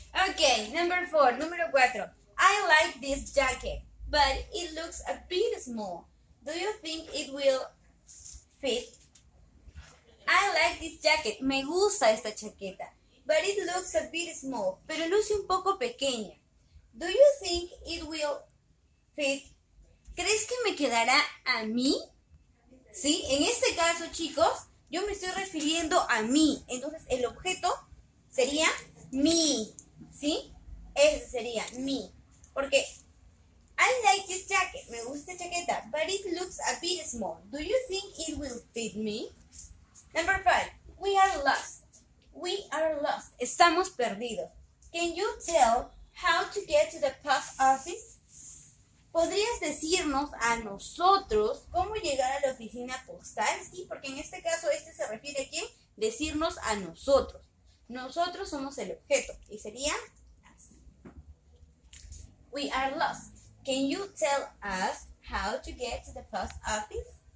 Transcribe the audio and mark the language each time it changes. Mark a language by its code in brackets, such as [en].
[en] Okay, number four, [es] número cuatro. [en] I like this jacket, but it looks a bit small. Do you think it will fit? I like this jacket. [es] Me gusta esta chaqueta. [en] But it looks a bit small. [es] Pero luce un poco pequeña. [en] Do you think it will fit? [es] ¿Crees que me quedará a mí? ¿Sí? En este caso, chicos, yo me estoy refiriendo a mí. Entonces, el objeto sería me. ¿Sí? Ese sería me. Porque [en] I like this jacket. [es] Me gusta esta chaqueta. [en] But it looks a bit small. Do you think it will fit me? Number five. We are lost. We are lost. [es] Estamos perdidos. [en] Can you tell how to get to the post office? [es] ¿Podrías decirnos a nosotros cómo llegar a la oficina postal? Sí, porque en este caso este se refiere a quién. Decirnos a nosotros. Nosotros somos el objeto. Y sería así. [en] We are lost. Can you tell us how to get to the post office?